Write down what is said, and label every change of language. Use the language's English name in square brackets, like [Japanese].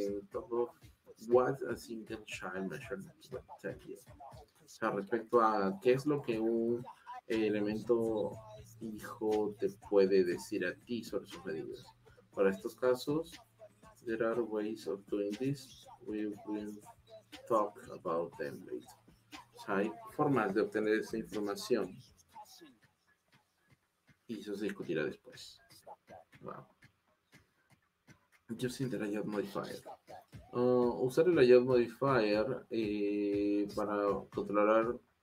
[English] Todo what a single child measurement will tell you. [Spanish] O sea, respecto a qué es lo que un elemento hijo te puede decir a ti sobre sus medidas. Para estos casos, [English] there are ways of doing this. We will talk about them later. [Spanish] O sea, hay formas de obtener esa información. Y eso se discutirá después. Wow. [English] Using the layout modifier. [Spanish] Usar el layout modifier para controlar.